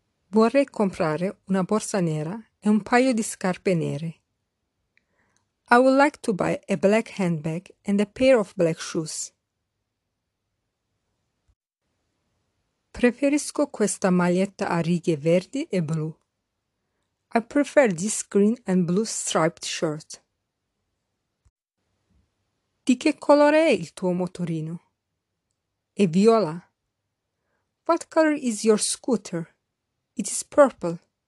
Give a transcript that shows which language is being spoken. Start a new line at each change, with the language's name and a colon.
Italian: Vorrei comprare una borsa nera e un paio di scarpe nere.
English: I would like to buy a black handbag and a pair of black shoes.
Italian: Preferisco questa maglietta a righe verdi e blu.
English: I prefer this green and blue striped shirt.
Italian: Di che colore è il tuo motorino? È viola.
English: What color is your scooter? It is purple.